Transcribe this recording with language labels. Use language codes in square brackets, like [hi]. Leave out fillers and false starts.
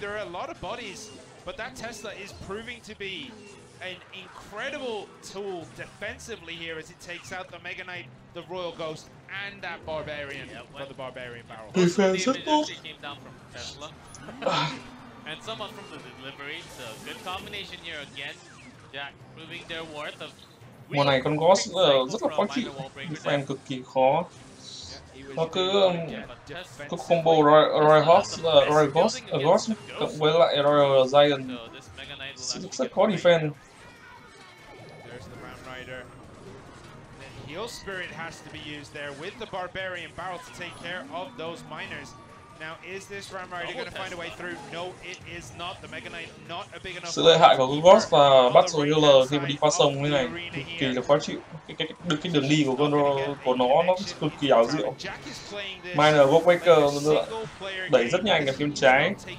[en] There are a lot of bodies, but that Tesla is proving to be an incredible tool defensively here as it takes out the Mega Knight, the Royal Ghost, and that Barbarian for the Barbarian Barrel. Defensive came down from Tesla. And someone from the delivery, so good combination here again. Jack proving their worth of... [vi] Mùa này con Ghost rất là khó chịu, defend cực kỳ khó. Nó cứ combo Royal Ghost, cộng với lại Royal Giant. [en] Looks like quality fan. There's the Ram Rider. The heal spirit has to be used there with the Barbarian Barrel to take care of those miners. Now, is this Ram Rider going to find a way through? No, it is not. The Mega Knight not a big enough. [vi] Sự lợi hại của con Ghost và Battle Healer khi mà đi qua sông như này cực kỳ là khó chịu. Cái đường đi của nó cực kỳ ảo diệu. Miner Warbreaker đẩy rất nhanh ở phía trái.